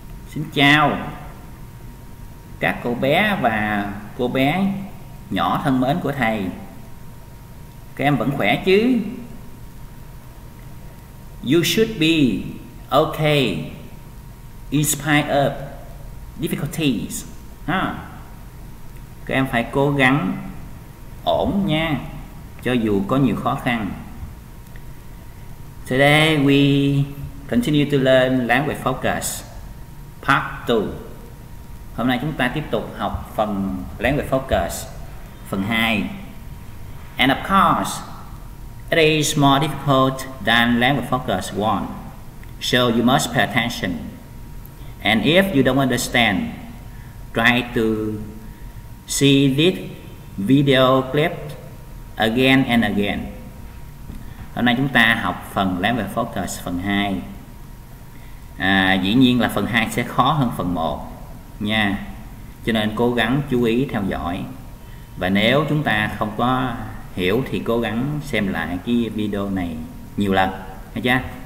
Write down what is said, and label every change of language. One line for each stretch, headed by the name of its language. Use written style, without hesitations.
Vietnamese: Xin chào các cậu bé và cô bé nhỏ thân mến của thầy. Các em vẫn khỏe chứ?
English: You should be okay in spite of difficulties.
Vietnamese: Các em phải cố gắng ổn nha, cho dù có nhiều khó khăn.
English: Today we continue to learn language focus part 2.
Vietnamese: Hôm nay chúng ta tiếp tục học phần language focus phần 2.
English: And of course, it is more difficult than language focus 1. So you must pay attention. And if you don't understand, try to see this video clip again and again.
Vietnamese: Hôm nay chúng ta học phần language focus phần 2. Dĩ nhiên là phần 2 sẽ khó hơn phần 1 nha. Cho nên cố gắng chú ý theo dõi. Và nếu chúng ta không có hiểu thì cố gắng xem lại cái video này nhiều lần, hay chưa?